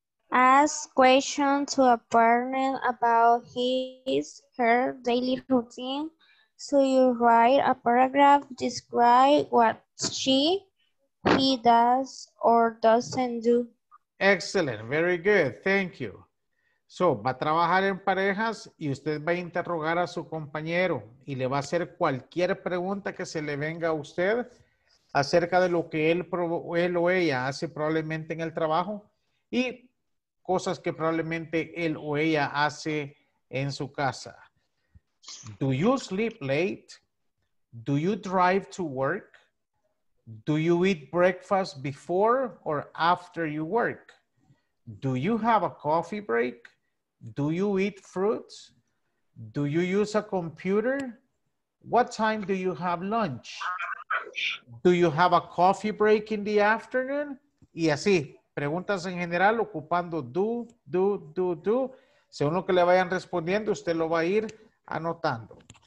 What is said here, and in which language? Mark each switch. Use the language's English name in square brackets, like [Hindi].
[English] Ask questions to a partner about his, her daily routine. So you write a paragraph, describe what she, he does or doesn't do. Excellent. Very good. Thank you. [Spanish] So, va a trabajar en parejas y usted va a interrogar a su compañero y le va a hacer cualquier pregunta que se le venga a usted acerca de lo que él o ella hace probablemente en el trabajo y cosas que probablemente él o ella hace en su casa. [English] Do you sleep late? Do you drive to work? Do you eat breakfast before or after you work? Do you have a coffee break? Do you eat fruits? Do you use a computer? What time do you have lunch? Do you have a coffee break in the afternoon? [Spanish] Y así, preguntas en general ocupando do. Según lo que le vayan respondiendo, usted lo va a ir anotando.